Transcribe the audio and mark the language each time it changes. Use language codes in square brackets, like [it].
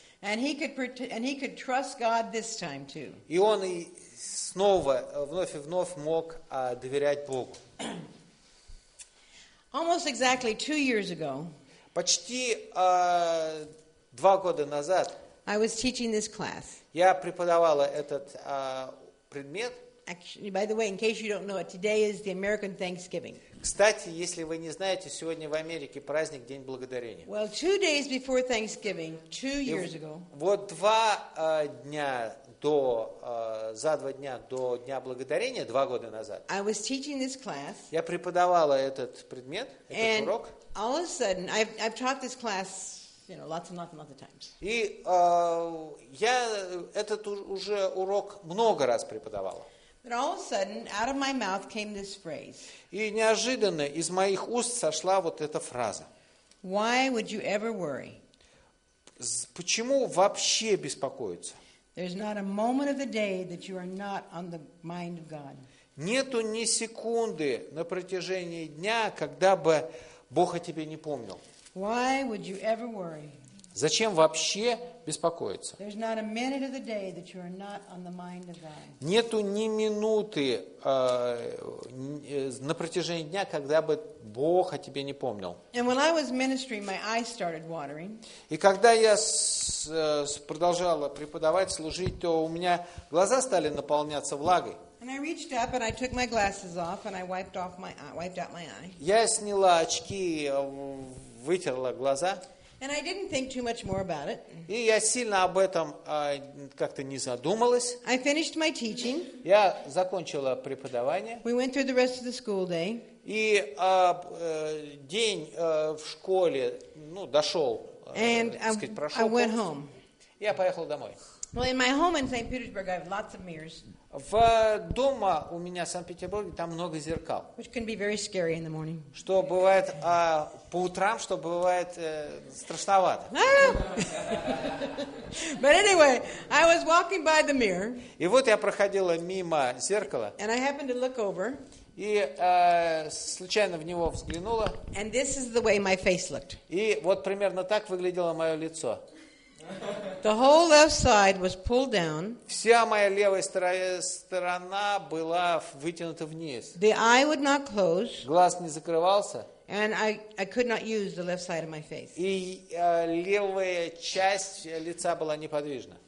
[en] And he could trust God this time too. [ru] И он снова, вновь и вновь мог доверять Богу. [en] Almost exactly 2 years ago. [ru] Почти 2 года назад. [en] I was teaching this class. [ru] Я преподавала этот предмет. [en] Actually, by the way, in case you don't know it, today is the American Thanksgiving. [ru] Кстати, если вы не знаете, сегодня в Америке праздник День Благодарения. [en] Well, 2 days before Thanksgiving, 2 years ago. [ru] Вот 2 дня. За 2 дня до Дня Благодарения, 2 года назад, [en] I was teaching this class, [ru] я преподавала этот предмет, [en] and [ru] этот урок. [en] All of a sudden, I've taught this class, you know, lots and lots and lots of times. [ru] И я этот уже урок много раз преподавала. [en] But all of a sudden, out of my mouth came this phrase. [ru] И неожиданно из моих уст сошла вот эта фраза. [en] Why would you ever worry? [ru] Почему вообще беспокоиться? [en] There's not a moment of the day that you are not on the mind of God. [ru] Нету ни секунды на протяжении дня, когда бы Бог о тебе не помнил. [en] Why would you ever worry? [ru] Зачем вообще беспокоиться? [en] There's not a minute of the day that you are not on the mind of God. [ru] Нету ни минуты на протяжении дня, когда бы Бог о тебе не помнил. [en] And when I was ministering, my eyes started watering. [ru] И когда я продолжала преподавать, служить, то у меня глаза стали наполняться влагой. [en] And I reached up and I took my glasses off and I wiped off my wiped out my eye. [ru] Я сняла очки, вытерла глаза. [en] And I didn't think too much more about it. [ru] И я сильно об этом как-то не задумалась. [en] I finished my teaching. [ru] Я закончила преподавание. [en] We went through the rest of the school day. [ru] И день в школе, ну, дошел, так сказать, прошел. [en] And I went home. [ru] Я поехала домой. [en] Well, in my home in St. Petersburg, I have lots of mirrors. [ru] В дома у меня в Санкт-Петербурге там много зеркал. [en] Which can be very scary in the morning. [ru] Что бывает по утрам, что бывает страшновато. [en] But anyway, I was walking by the mirror. [ru] И вот я проходила мимо зеркала. [en] And I happened to look over. [ru] И случайно в него взглянула. [en] And this is the way my face looked. [ru] И вот примерно так выглядело мое лицо. [en] The whole left side was pulled down. [ru] Вся моя левая сторона была вытянута вниз. [en] The eye would not close. [ru] Глаз не закрывался. [en] And I could not use the left side of my face. [ru] И левая часть лица была неподвижна.